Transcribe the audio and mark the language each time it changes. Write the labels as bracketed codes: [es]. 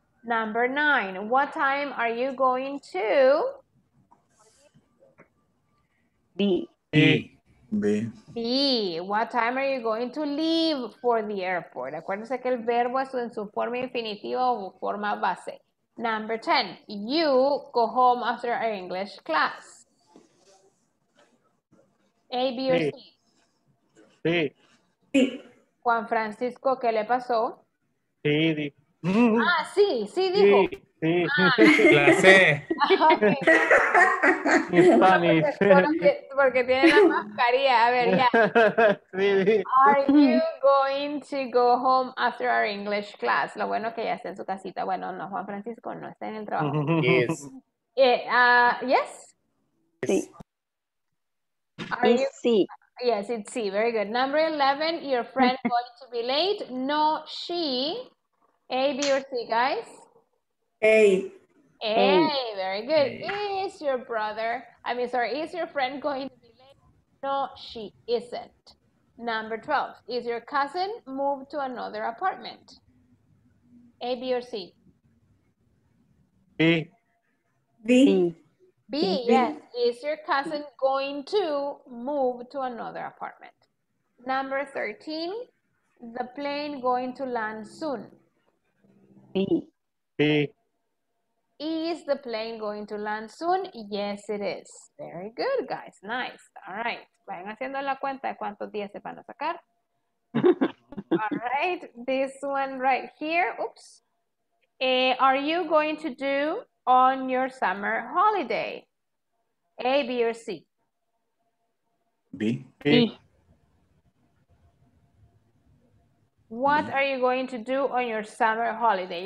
[en] Number nine, what time are you going to? B. B. B. What time are you going to leave for the airport? [es] Acuérdense que el verbo es en su forma infinitiva o forma base. [en] Number 10. You go home after our English class. A, B, or C? B. [es] Juan Francisco, ¿qué le pasó? Sí, dijo. Ah, sí, sí dijo. Sí. Sí, ah, la sé. [en] Okay. Spanish. [es] Porque tiene la mascarilla. A ver, ya. Sí, sí. [en] Are you going to go home after our English class? [es] Lo bueno que ya está en su casita. Bueno, no, Juan Francisco no está en el trabajo. [en] Yes. Yes. Yes. Are you... Sí. Yes, it's sí. Very good. Number 11, your friend going to be late. No, she. A, B, or C, guys. Hey, very good. Hey. Is your brother, I mean, sorry, is your friend going to be late? No, she isn't. Number 12, is your cousin moved to another apartment? A, B, or C? B. B. B, yes. Is your cousin going to move to another apartment? Number 13, the plane going to land soon? B. B. Is the plane going to land soon? Yes, it is. Very good, guys. Nice. All right. [es] Vayan haciendo la cuenta de cuántos días se van a sacar. [en] All right. This one right here. Oops. Are you going to do on your summer holiday? A, B, or C? B. B. What are you going to do on your summer holiday?